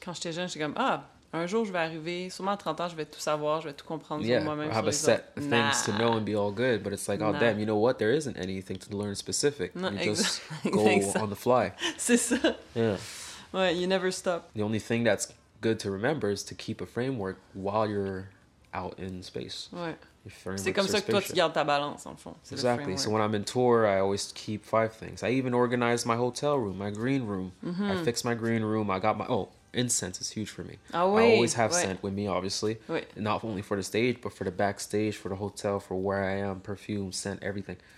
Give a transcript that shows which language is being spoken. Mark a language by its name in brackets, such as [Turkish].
[French] Quand j'étais jeune, j'étais comme, ah, un jour je vais arriver, sûrement à 30 ans, je vais tout savoir, je vais tout comprendre [English] yeah, [French] sur moi-même. [English] Yeah, have a set of things to know and be all good. But it's like, oh damn, you know what? There isn't anything to learn specific. On the fly. [French] C'est ça. [English] Yeah. Ouais, you never stop. The only thing that's good to remember is to keep a framework while you're out in space. [French] Ouais. C'est comme ça que toi tu gardes ta balance en fond. C'est [English] exactly. So when I'm in tour, I always keep 5 things. I even organize my hotel room, my green room. Mm-hmm. I fix my green room. I got my incense is huge for me. [French] Ah, oui. [English] I always have scent with me, obviously. [French] Oui. [English] Not only for the stage, but for the backstage, for the hotel, for where I am, perfume, scent, everything.